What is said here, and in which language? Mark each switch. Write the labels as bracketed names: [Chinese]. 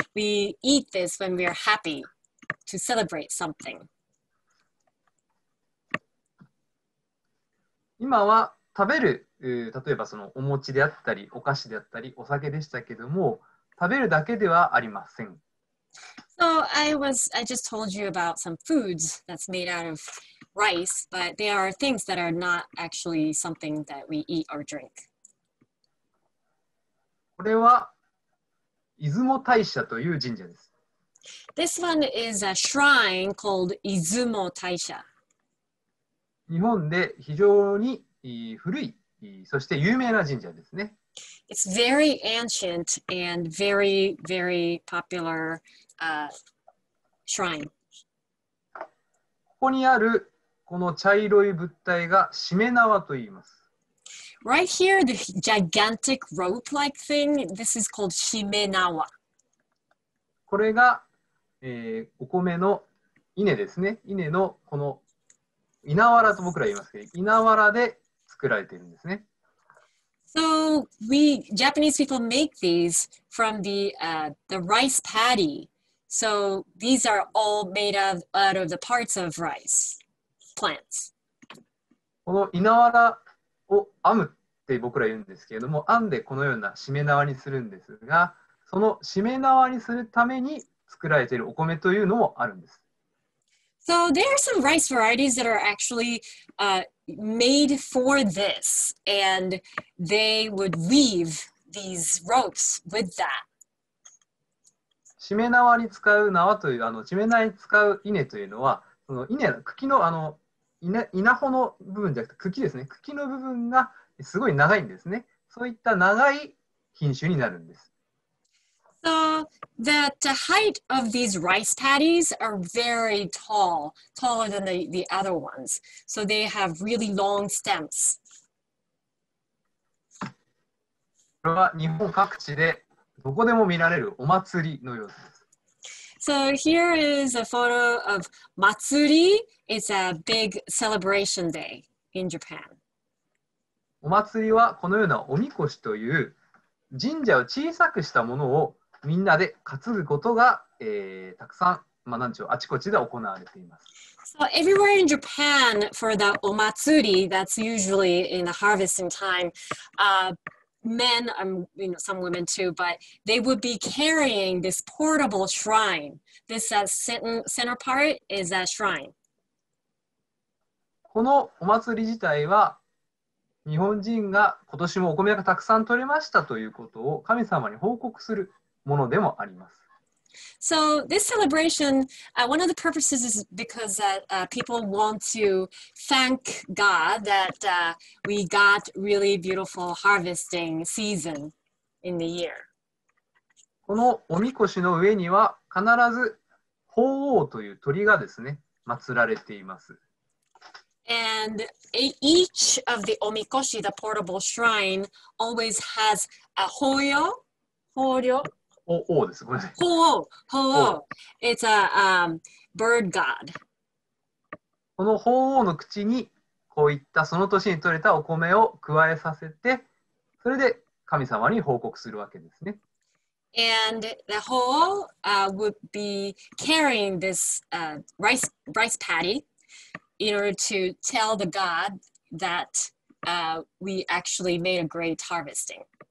[English] We eat this when we are happy to celebrate something. [Japanese] 今は食べる、例えばそのお餅であったり、お菓子であったり、お酒でしたけども、食べるだけではありません。 [English] So I just told you about some foods that's made out of rice, but there are things that are not actually something that we eat or drink. [Japanese] これは出雲大社という神社です。 [English] This one is a shrine called 出雲大社。 [Japanese] 日本で非常に古い、そして有名な神社ですね。 [English] It's very ancient and very, very popular shrine. [Japanese] ここにあるこの茶色い物体がしめ縄と言います。 [English] Right here, the gigantic rope-like thing, this is called しめ縄。 [Japanese] これが、お米の稲ですね。稲のこの稲わらと僕ら言いますけど、稲わらで作られているんですね。 [English] So, we Japanese people make these from the rice paddy. So, these are all made out of the parts of rice plants. [Japanese] この稲わらを編むって僕ら言うんですけれども、編んでこのようなしめ縄にするんですが、そのしめ縄にするために作られているお米というのもあるんです。 [English] So, there are some rice varieties that are actually made for this, and they would weave these ropes with that. [Japanese] しめ縄に使う縄という、しめ縄に使う稲というのは、その稲の茎の稲穂の部分じゃなくて茎ですね。茎の部分がすごい長いんですね。そういった長い品種になるんです。 [English] So that the height of these rice paddies are very tall, taller than the other ones. So they have really long stems. [Japanese] これは日本各地でどこでも見られるお祭りの様子です。 [English] So here is a photo of Matsuri. It's a big celebration day in Japan. [Japanese] お祭りはこのようなおみこしという神社を小さくしたものをみんなで担ぐことが、たくさん、まあ、なんちゅう、あちこちで行われています。 [English] So everywhere in Japan for the omatsuri, that's usually in the harvesting time, men, you know, some women too, but they would be carrying this portable shrine. This center part is a shrine. [Japanese] このお祭り自体は日本人が今年もお米がたくさん取れましたということを神様に報告するものでもあります。 [English] So this celebration, one of the purposes is because that people want to thank God that we got really beautiful harvesting season in the year. [Japanese] このおみこしの上には必ず鳳凰という鳥がですね、祀られています。 [English] And each of the omikoshi, the portable shrine, always has a hoyo, horyo, [Japanese] ho-o です。ごめんなさい。 [English] ho-o, ho-o. It's a bird god. [Japanese] この ho-o の口にこういったその年に取れたお米を加えさせて、それで神様に報告するわけですね。 [English] And the ho-o would be carrying this rice paddy. In order to tell the God that we actually made a great harvesting.